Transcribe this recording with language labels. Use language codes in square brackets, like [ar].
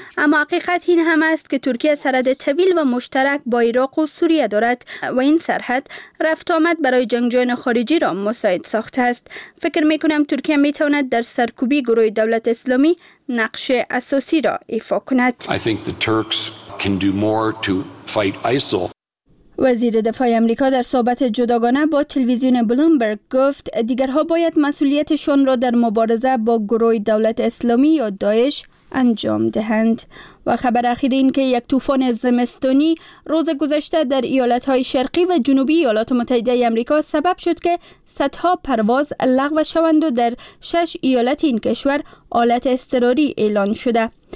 [fa] اما حقیقت این هم است که ترکیه سرحد طویل و مشترک با عراق و سوریه دارد و این سرحد رفت آمد برای جنگجویان خارجی را مساعد ساخته است. فکر می کنم ترکیه می تواند در سرکوبی گروه دولت اسلامی نقش اساسی را ایفا کند. [en] I think the Turks can do more to fight ISIL. [fa] وزیر دفاع آمریکا در صحبت جداگانه با تلویزیون بلومبرگ گفت دیگرها باید مسئولیتشان را در مبارزه با گروه دولت اسلامی یا داعش انجام دهند. و خبر اخیر این که یک طوفان زمستانی روز گذشته در ایالت‌های شرقی و جنوبی ایالات متحده آمریکا سبب شد که صدها پرواز لغو شوند و در شش ایالت این کشور حالت اضطراری اعلان شده.